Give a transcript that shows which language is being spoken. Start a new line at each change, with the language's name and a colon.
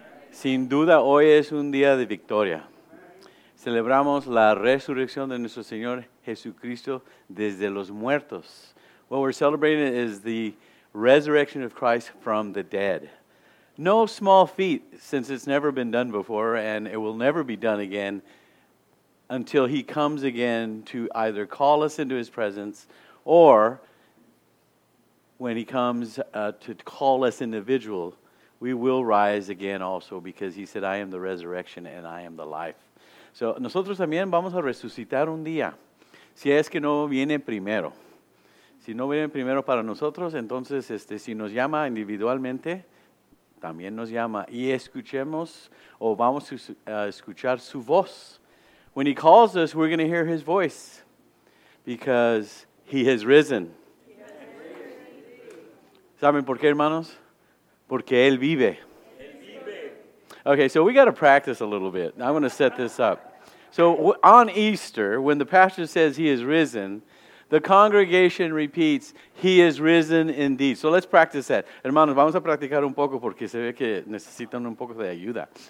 Spanish: Sin duda, hoy es un día de victoria. Celebramos la resurrección de nuestro Señor Jesucristo desde los muertos.
English: What we're celebrating is the resurrection of Christ from the dead. No small feat, since it's never been done before and it will never be done again until He comes again to either call us into His presence or when He comes to call us individual, we will rise again also because He said, I am the resurrection and I am the life.
Spanish: So, nosotros también vamos a resucitar un día. Si es que no viene primero. Si no viene primero para nosotros, entonces, si nos llama individualmente, también nos llama. Y escuchemos, o vamos a escuchar su voz.
English: When He calls us, we're going to hear His voice. Because He has risen.
Spanish: ¿Saben por qué, hermanos? Porque Él vive.
English: Okay, so we got to practice a little bit. I'm going to set this up. So on Easter, when the pastor says He is risen, the congregation repeats, He is risen indeed. So let's practice that.
Spanish: Hermanos, vamos a practicar un poco porque se ve que necesitan un poco de ayuda.